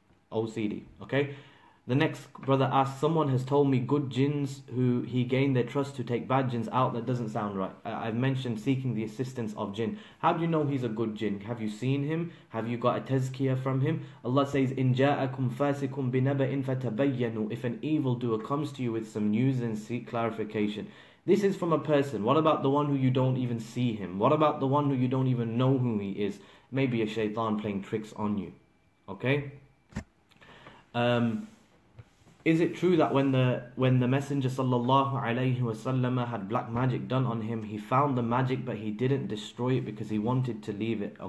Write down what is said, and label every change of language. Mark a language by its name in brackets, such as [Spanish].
[English] OCD, okay? The next brother asks, someone has told me good jinns who he gained their trust to take bad jinns out. That doesn't sound right. I've mentioned seeking the assistance of jinn. How do you know he's a good jinn? Have you seen him? Have you got a tazkiyah from him? Allah says, [Arabic] إِن جَاءَكُمْ فَاسِكُمْ بِنَبَئٍ فَتَبَيَّنُوا. [English] If an evildoer comes to you with some news, then seek clarification. This is from a person. What about the one who you don't even see him? What about the one who you don't even know who he is? Maybe a shaitan playing tricks on you. Okay? Is it true that when the Messenger sallallahu alaihi wasallam had black magic done on him, he found the magic but he didn't destroy it because he wanted to leave it?